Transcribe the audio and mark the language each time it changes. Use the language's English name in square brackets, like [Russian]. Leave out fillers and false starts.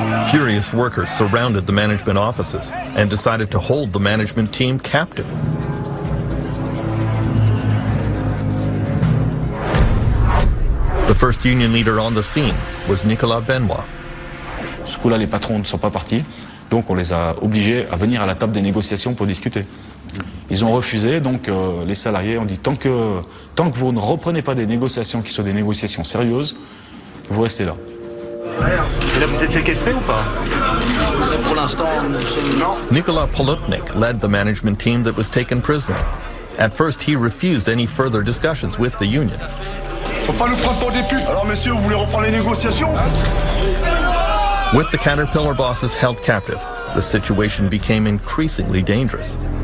[English] Furious workers surrounded the management offices and decided to hold the management team captive. The first union leader on the scene was Nicolas Benoit. [French] Ce coup-là, les patrons ne sont pas partis, donc on les a obligés à venir à la table des négociations pour discuter. Ils ont refusé, donc les salariés ont dit tant que vous ne reprenez pas des négociations qui soient des négociations sérieuses, vous restez là. Et là, vous êtes séquestré ou pas? Et pour l'instant, nous sommes... Non. [English] Nicolas Polutnik led the management team that was taken prisoner. At first, he refused any further discussions with the union. [French] Faut pas nous prendre pour des putes. Alors, messieurs, vous voulez reprendre les négociations? [English] With the Caterpillar bosses held captive, the situation became increasingly dangerous.